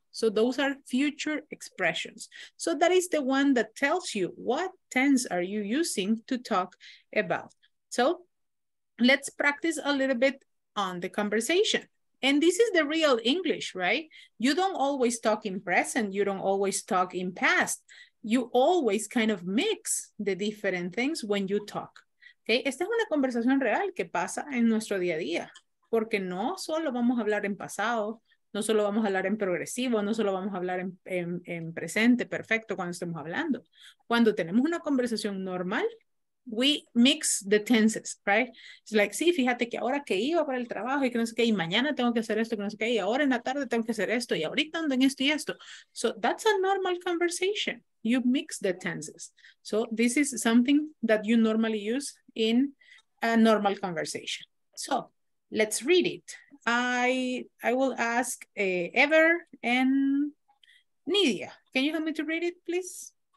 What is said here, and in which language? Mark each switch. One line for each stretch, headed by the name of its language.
English: So those are future expressions. So that is the one that tells you what tense are you using to talk about. So let's practice a little bit on the conversation. And this is the real English, right? You don't always talk in present. You don't always talk in past. You always kind of mix the different things when you talk.
Spanish: Okay, esta es una conversación real que pasa en nuestro día a día. Porque no solo vamos a hablar en pasado, no solo vamos a hablar en progresivo, no solo vamos a hablar en presente, perfecto, cuando estemos hablando. Cuando tenemos una conversación normal,
English: we mix the tenses, right? It's like,
Spanish: sí, fíjate que ahora que iba para el trabajo y que no sé qué, y mañana tengo que hacer esto, que no sé qué, y ahora en la tarde tengo que hacer esto, y ahorita ando en esto y esto.
English: So that's a normal conversation. You mix the tenses. So this is something that you normally use in a normal conversation. So let's read it. I will ask Ever and Nidia. Can you help me to read it, please?